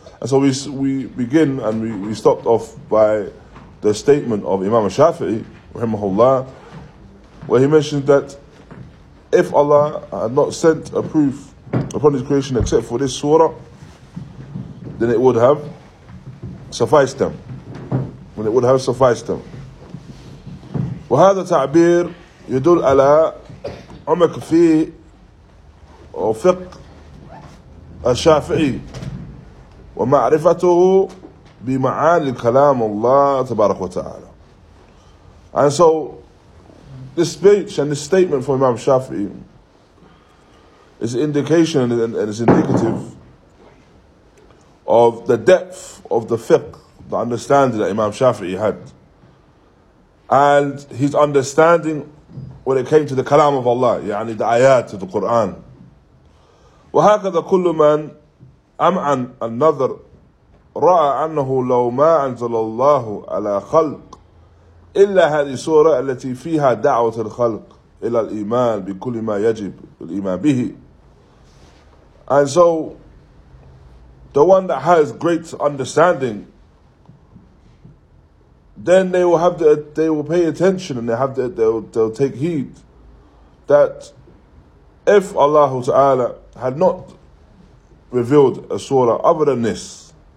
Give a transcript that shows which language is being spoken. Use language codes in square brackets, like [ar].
[en] And so we begin and we stopped off by the statement of Imam Shafi'i, rahimahullah, where he mentioned that if Allah had not sent a proof upon His creation except for this surah, then it would have sufficed them. When it would have sufficed them. [ar] وهذا تعبير يدل على عمق في فقه الشافعي ومعرفته بمعاني كلام الله تبارك وتعالى. [en] And so, this speech and this statement from Imam Shafi'i is indication and is indicative of the depth of the fiqh, the understanding that Imam Shafi'i had, and his understanding when it came to the kalam of Allah, يعني the ayat of the Quran. [ar] وَهَكَذَا كُلُّ مَنْ أَمْعَنْ النَّظَرْ رَأَى أَنَّهُ لَوْ مَا أَنزَلَ اللَّهُ عَلَىٰ خَلْقٍ إلا هذه السورة التي فيها دعوة الخلق إلى الإيمان بكل ما يجب الإيمان به. [en] And so, the one that has great understanding, then they will pay attention and they'll take heed that if Allah Ta'ala had not revealed a surah other than this.